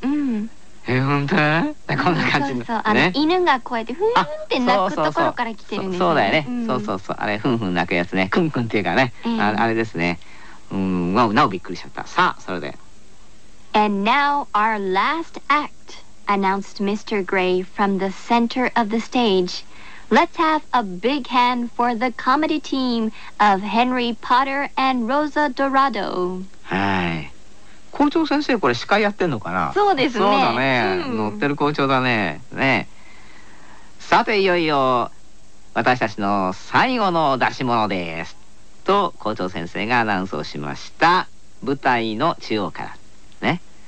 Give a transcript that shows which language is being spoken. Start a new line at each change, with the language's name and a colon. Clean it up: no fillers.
Japanese: うん、ほんとね、こんな感じの、そうそう、ね、あの犬がこうやってふんふんって鳴くところから来てるんですよ。そうだよね、うん、そうそうそう、あれふんふん鳴くやつね、クンクンっていうかね、あれですね。うん、なおびっくりしちゃった。さあ、それで
English: And now our last act, announced Mr. Gray from the center of the stageLet's have a big hand for the comedy team of Henry Potter and Rosa Dorado.
Japanese: はい。校長先生、これ司会やってんのかな？そうですね。そうだね。うん、乗ってる校長だね。ね。さて、いよいよ私たちの最後の出し物です。と校長先生がアナウンスをしました。舞台の中央から。ね。